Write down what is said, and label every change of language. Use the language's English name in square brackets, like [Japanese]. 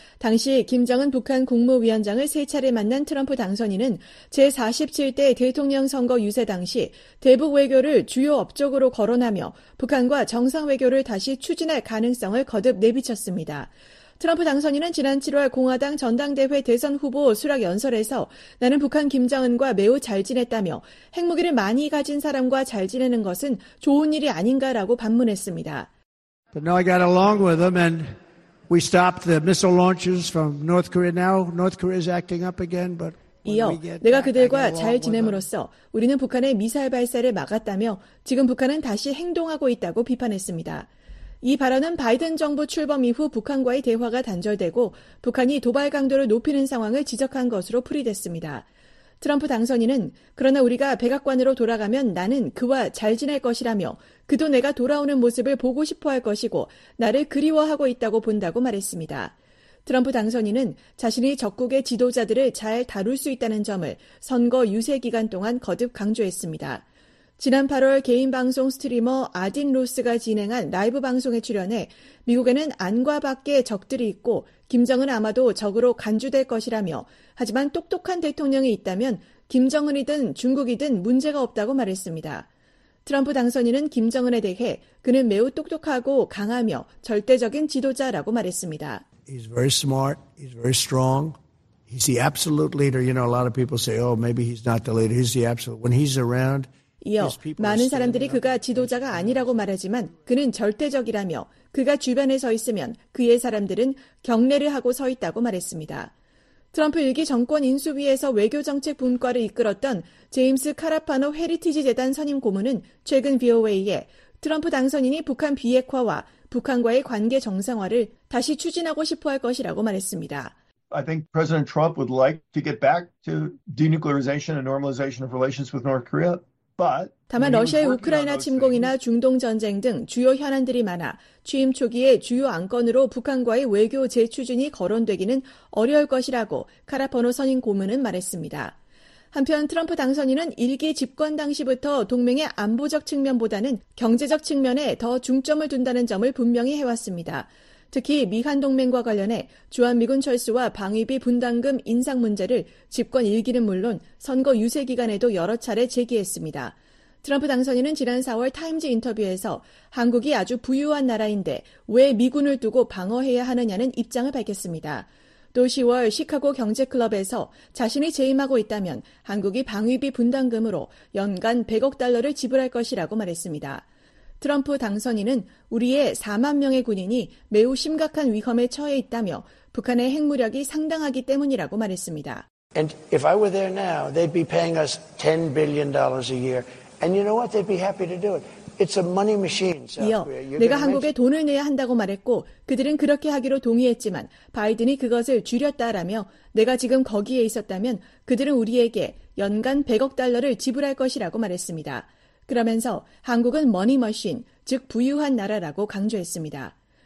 [Korean] 당시 김정은 북한 국무위원장을 세 차례 만난 트럼프 당선인은 제47대 대통령 선거 유세 당시 대북 외교를 주요 업적으로 거론하며 북한과 정상 외교를 다시 추진할 가능성을 거듭 내비쳤습니다. 트럼프 당선인은 지난 7월 공화당 전당대회 대선 후보 수락 연설에서 나는 북한 김정은과 매우 잘 지냈다며 핵무기를 많이 가진 사람과 잘 지내는 것은 좋은 일이 아닌가라고 반문했습니다. [English] But now I got along with them and we stopped the missile launches from North Korea. Now North Korea is acting up again, but [Korean] 이어 내가 그들과 잘 지냄으로써 우리는 북한의 미사일 발사를 막았다며 지금 북한은 다시 행동하고 있다고 비판했습니다. 이 발언은 바이든 정부 출범 이후 북한과의 대화가 단절되고 북한이 도발 강도를 높이는 상황을 지적한 것으로 풀이됐습니다. 트럼프 당선인은 그러나 우리가 백악관으로 돌아가면 나는 그와 잘 지낼 것이라며 그도 내가 돌아오는 모습을 보고 싶어 할 것이고 나를 그리워하고 있다고 본다고 말했습니다. 트럼프 당선인은 자신이 적국의 지도자들을 잘 다룰 수 있다는 점을 선거 유세 기간 동안 거듭 강조했습니다. 지난 8월 개인 방송 스트리머 아딘 로스가 진행한 라이브 방송에 출연해 미국에는 안과 밖에 적들이 있고 김정은 아마도 적으로 간주될 것이라며 하지만 똑똑한 대통령이 있다면 김정은이든 중국이든 문제가 없다고 말했습니다. 트럼프 당선인은 김정은에 대해 그는 매우 똑똑하고 강하며 절대적인 지도자라고 말했습니다. [English] He's very smart. He's very strong. He's the absolute leader. You know, a lot of people say, oh, maybe he's not the leader. He's the absolute. When he's around. [Korean] 이어 많은 사람들이 그가 지도자가 아니라고 말하지만 그는 절대적이라며 그가 주변에 서 있으면 그의 사람들은 경례를 하고 서 있다고 말했습니다. 트럼프 1기 정권 인수위에서 외교정책 분과를 이끌었던 제임스 카라파노 헤리티지 재단 선임 고문은 최근 VOA에 트럼프 당선인이 북한 비핵화와 북한과의 관계 정상화를 다시 추진하고 싶어 할 것이라고 말했습니다. [English] I think President Trump would like to get back to denuclearization and normalization of relations with North Korea. [Korean] 다만 러시아의 우크라이나 침공이나 중동전쟁 등 주요 현안들이 많아 취임 초기에 주요 안건으로 북한과의 외교 재추진이 거론되기는 어려울 것이라고 카라포노 선임 고문은 말했습니다. 한편 트럼프 당선인은 1기 집권 당시부터 동맹의 안보적 측면보다는 경제적 측면에 더 중점을 둔다는 점을 분명히 해왔습니다. 특히 미한 동맹과 관련해 주한미군 철수와 방위비 분담금 인상 문제를 집권 1기는 물론 선거 유세 기간에도 여러 차례 제기했습니다. 트럼프 당선인은 지난 4월 타임즈 인터뷰에서 한국이 아주 부유한 나라인데 왜 미군을 두고 방어해야 하느냐는 입장을 밝혔습니다. 또 10월 시카고 경제클럽에서 자신이 재임하고 있다면 한국이 방위비 분담금으로 연간 100억 달러를 지불할 것이라고 말했습니다. 트럼프 당선인은 우리의 4만 명의 군인이 매우 심각한 위험에 처해 있다며 북한의 핵무력이 상당하기 때문이라고 말했습니다. [English] And if I were there now, they'd be paying us $10 billion a year. And you know what? They'd be happy to do it. It's a money machine. [Korean] 이어 내가 한국에 돈을 내야 한다고 말했고 그들은 그렇게 하기로 동의했지만 바이든이 그것을 줄였다라며 내가 지금 거기에 있었다면 그들은 우리에게 연간 100억 달러를 지불할 것이라고 말했습니다. 그러면서 한국은 머니머신, 즉 부유한 나라라고 강조했습니다.